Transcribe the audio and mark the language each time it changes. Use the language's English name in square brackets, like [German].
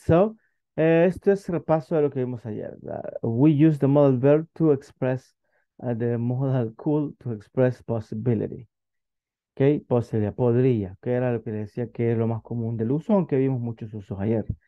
[Spanish] So, esto es repaso de lo que vimos ayer. [English] We use the modal verb to express the modal could to express possibility. [Spanish] Okay, posibilidad, podría, que era lo que decía que es lo más común del uso, aunque vimos muchos usos ayer.